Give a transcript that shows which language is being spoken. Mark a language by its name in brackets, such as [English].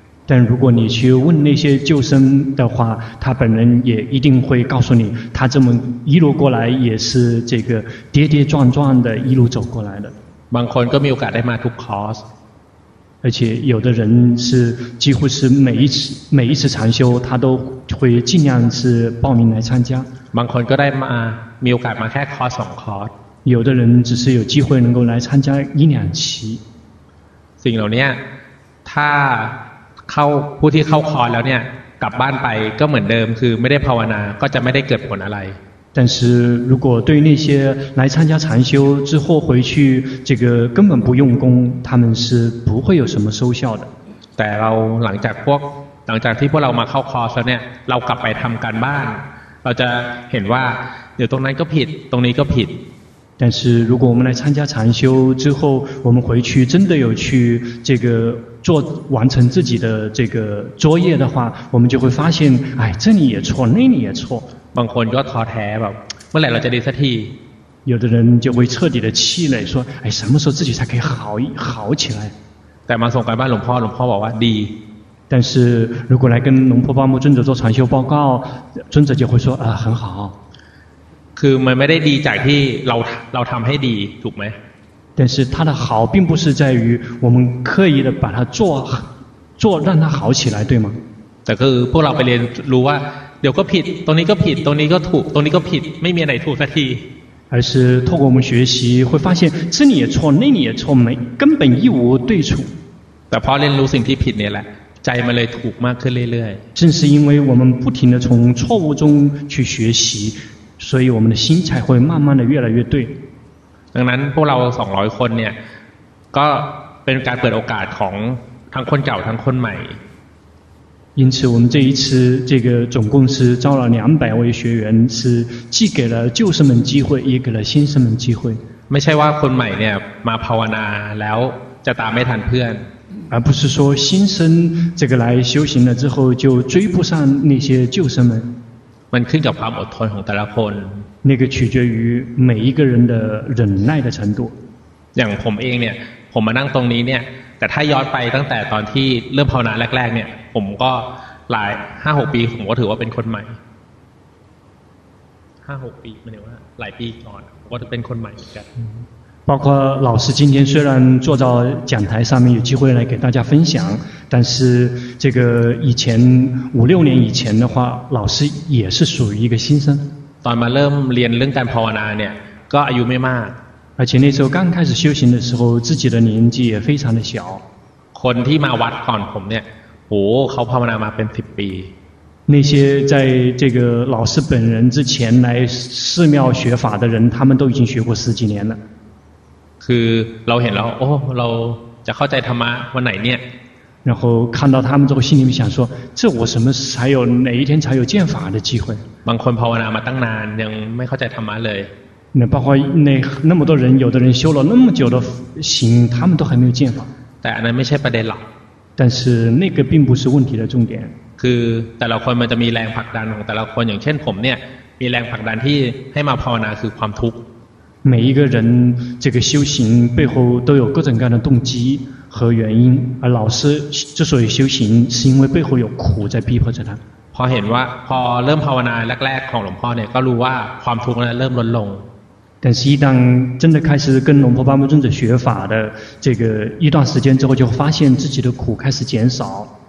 [Chinese] 但如果你去问那些旧生的话他本人也一定会告诉你他这么一路过来也是这个跌跌撞撞的一路走过来的 [Thai] บางคนก็มีโอกาสได้มาทุกคอร์ส [Chinese] 而且有的人是几乎是每一次禅修他都会尽量是报名来参加 [Thai] บางคนก็ได้มามีโอกาสมาแค่คอร์ส2คอร์ส [Chinese] 有的人只是有机会能够来参加一两期 [Thai] สิ่งเหล่านี้ถ้าเข้าผู้ที่เข้าคอร์สแล้วเนี่ยกลับบ้านไปก็เหมือนเดิมคือไม่ได้ภาวนาก็จะไม่ได้เกิดผลอะไร [Chinese] 但是如果对那些来参加禅修之后回去这个根本不用功他们是不会有什么收效的 [Thai] แต่เราหลังจากที่พวกเรามาเข้าคอร์สแล้วเนี่ยเรากลับไปทําการบ้านเราจะเห็นว่าเดี๋ยวตรงนั้นก็ผิดตรงนี้ก็ผิด [Chinese] 但是如果我们来参加禅修之后我们回去真的有去这个做完成自己的这个作业的话我们就会发现哎这里也错那里也错 [Thai] บางคนก็ท้อแท้แบบเมื่อไหร่เราจะดีสักที [Chinese] 有的人就会彻底的气馁说哎什么时候自己才可以好起来 [Thai] แต่มาส่งการบ้านหลวงพ่อบอกว่าดี [Chinese] 但是如果来跟龙婆巴木尊者做禅修报告尊者就会说啊很好 [Thai] คือมันไม่ได้ดีจากที่เราทำให้ดีถูกไหม [Chinese] 但是它的好并不是在于我们刻意的把它做让它好起来对吗 [Thai] แต่คือพวกเราไปเรียนรู้ว่าเดี๋ยวก็ผิดตรงนี้ก็ผิดตรงนี้ก็ถูกตรงนี้ก็ผิดไม่มีอะไรถูกสักที [Chinese] 而是透过我们学习会发现这里也错那里也错没根本一无对处 [Thai] แต่พอเรียนรู้สิ่งที่ผิดเนี่ยแหละใจมันเลยถูกมากขึ้นเรื่อย [Chinese] ๆ正是因为我们不停的从错误中去学习所以我们的心才会慢慢的越来越对 [Thai] ดังนั้นพวกเรา200คนเนี่ยก็เป็นการเปิดโอกาสของทั้งคนเก่าทั้งคนใหม่ [Chinese] 因此我们这一次这个总共是招了200位学员是既给了旧生们机会也给了新生们机会 [Thai] ไม่ใช่ว่าคนใหม่เนี่ยมาภาวนาแล้วจะตามไม่ทันเพื่อน [Chinese] 而不是说新生这个来修行了之后就追不上那些旧生们 [Thai] มันขึ้นกับความอดทนของแต่ละคน [Chinese] 那个取决于每一个人的忍耐的程度 [Thai] อย่างผมเองเนี่ยผมมานั่งตรงนี้เนี่ยแต่ถ้าย้อนไปตั้งแต่ตอนที่เริ่มภาวนาแรกๆเนี่ยผมก็หลาย 5-6 ปีผมก็ถือว่าเป็นคนใหม่ 5-6 ปีหมายถึงว่าหลายปีก่อนผมก็จะเป็นคนใหม่เหมือนกัน [Chinese] 包括老师今天虽然坐到讲台上面有机会来给大家分享但是这个以前五六年以前的话老师也是属于一个新生 [Thai] ตอนมาเริ่มเรียนเรื่องการภาวนาเนี่ยก็อายุไม่มาก [Chinese] 而且那时候刚开始修行的时候自己的年纪也非常的小 [Thai] คนที่มาวัดก่อนผมเนี่ยโอ้เขาภาวนามาเป็น10ปี [Chinese] 那些在这个老师本人之前来寺庙学法的人他们都已经学过十几年了 [Thai] คือเราเห็นแล้วโอ้เราจะเข้าใจธรรมะวันไหนเนี่ย [Chinese] 然后看到他们之后心里面想说这我什么才有哪一天才有见法的机会 [Thai] บางคนภาวนามาตั้งนานยังไม่เข้าใจธรรมะเลย นะ [Chinese] 包括那么多人有的人修了那么久的行他们都还没有见法 [Thai] แต่อันนั้นไม่ใช่ประเด็นหรอก [Chinese] 但是那个并不是问题的重点 [Thai] คือแต่ละคนมันจะมีแรงผลักดันของแต่ละคนอย่างเช่นผมเนี่ยมีแรงผลักดันที่ให้มาภาวนาคือความทุกข์ [Chinese] 每一个人这个修行背后都有各种各样的动机和原因而老师之所以修行是因为背后有苦在逼迫着他 [Thai] พอเห็นว่าพอเริ่มภาวนาแรกๆของหลวงพ่อเนี่ยก็รู้ว่าความทุกข์นั้นเริ่มลดลง [Chinese] 但是一旦真的开始跟龙婆巴木尊者学法的这个一段时间之后就发现自己的苦开始减少